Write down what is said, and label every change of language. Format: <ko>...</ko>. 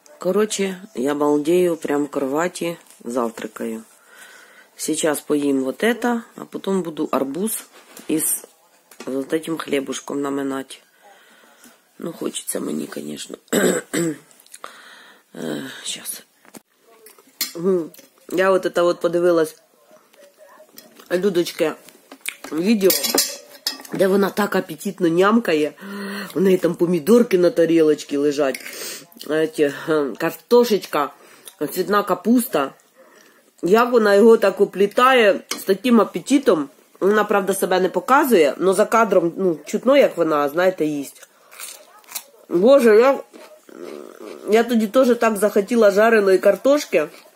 <ru>Коротше, я балдею прямо в кроваті, завтракаю.</ru> <uk>Зараз поїм от це, а потім буду арбуз із от цим хлібушком наминати. Ну, хочеться мені, звісно.</uk> <ru>Сейчас. Я вот это вот</ru> <uk>подивилась</uk> <ru>Людочке видео, где</ru> <uk>вона так аппетитно нямкає. У неї там помідорки на тарілочці лежать.</uk> <ru>Эти, картошечка, цветна капуста.</ru> <uk>Як вона його так оплітає з таким аппетитом. Вона, правда, себе не показує, но за кадром, ну, чутно, як вона, знаєте, їсть. Боже, як... Я тоді теж так захотіла жареної картошки.</uk>